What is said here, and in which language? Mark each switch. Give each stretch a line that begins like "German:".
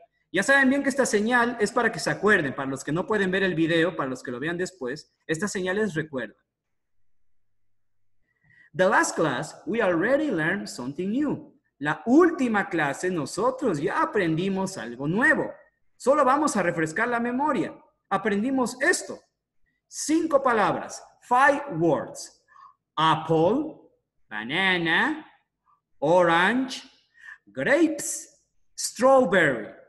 Spanish: Ya saben bien que esta señal es para que se acuerden, para los que no pueden ver el video, para los que lo vean después, esta señal es recuerda.
English: The last class, we already learned something new.
Spanish: La última clase, nosotros ya aprendimos algo nuevo. Solo vamos a refrescar la memoria. Aprendimos esto. 5 palabras.
English: 5 words. Apple. Banana. Orange. Grapes. Strawberry.